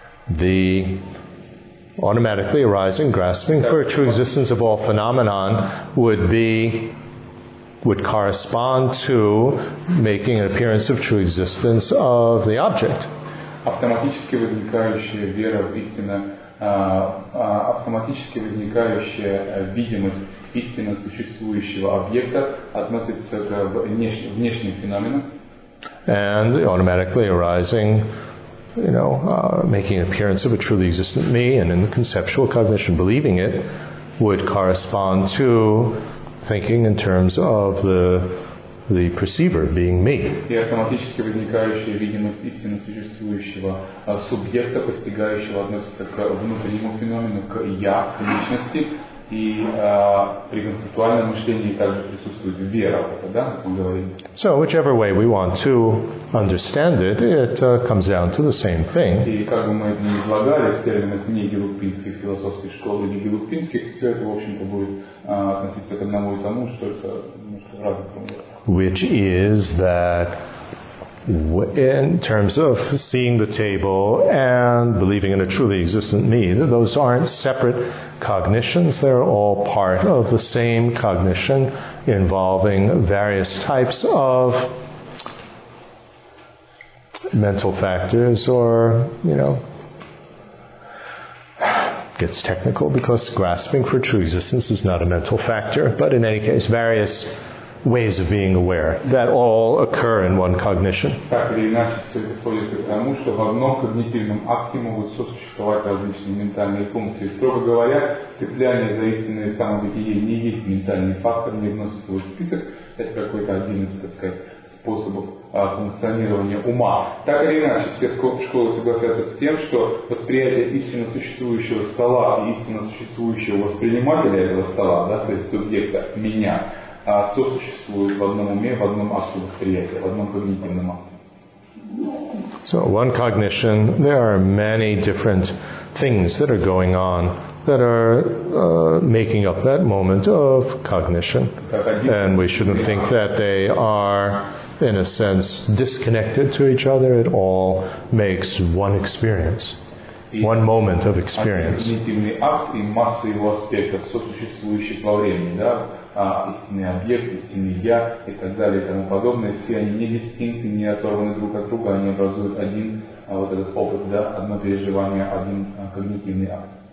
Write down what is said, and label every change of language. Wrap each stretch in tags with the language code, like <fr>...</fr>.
<en>the automatically arising grasping for a true existence of all phenomenon would correspond to making an appearance of true existence of the object.</en> <ru>Автоматически возникающая вера в истину. Автоматически возникающая видимость истинно существующего объекта относится к внешним феноменам.</ru> <en>And automatically arising, you know, making an appearance of a truly existent me, and in the conceptual cognition believing it, would correspond to thinking in terms of the perceiver being me.</en> <ru>И автоматически возникающая видимость истинно существующего субъекта, постигающего, относится к внутреннему феномену, к я, к личности, и при концептуальном мышлении также присутствует вера, да, как мы говорим.</ru> <en>So, whichever way we want to understand it, it comes down to the same thing.</en> <ru>И как бы мы это ни излагали в терминах не гелупинских философской школы, не гелупинских, все это, в общем-то, будет относиться к одному и тому, что это немножко разные проблемы.</ru> <en>Which is that in terms of seeing the table and believing in a truly existent me, those aren't separate cognitions. They're all part of the same cognition involving various types of mental factors or, you know, gets technical because grasping for true existence is not a mental factor, but in any case, various ways of being aware that all occur in one cognition.</en> <ru>Так или иначе, все это сводится к тому, что в одном когнитивном акте могут сосуществовать различные ментальные функции. Строго говоря, цепляние за истинное самобытие не есть ментальный фактор, не вносит свой список. Это какой-то один из, так сказать, способов функционирования ума. Так или иначе, все школы согласятся с тем, что восприятие истинно существующего стола и истинно существующего воспринимателя этого стола, да, то есть субъекта, меня, сосуществует в одном уме, в одном акте восприятия, в одном когнитивном акте.</ru> <en>So, one cognition, there are many different things that are going on that are making up that moment of cognition. And we shouldn't think that they are, in a sense, disconnected to each other. It all makes one experience, one moment of experience.</en> <ru>Когнитивный акт и масса его аспектов, сосуществующих во времени, да? Истинный объект, истинный я и так далее и тому подобное, все они не дистинкты, не оторваны друг от друга, они образуют один вот этот опыт, да, одно переживание, один когнитивный акт.</ru>